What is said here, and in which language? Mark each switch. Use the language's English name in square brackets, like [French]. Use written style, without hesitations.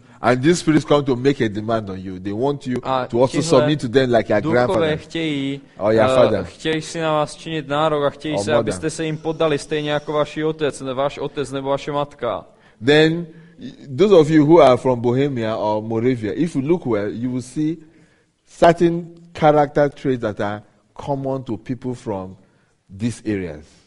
[English] And these spirits come to make a demand on you. They want you to also submit to them like your grandfather. [Czech] Chtějí, [English] or your father. [Czech] Chtějí si na vás činit nárok a chtějí se, abyste se jim poddali stejně jako váš otec nebo vaše matka. [English] Then those of you who are from Bohemia or Moravia, if you look well, you will see certain character traits that are common to people from these areas.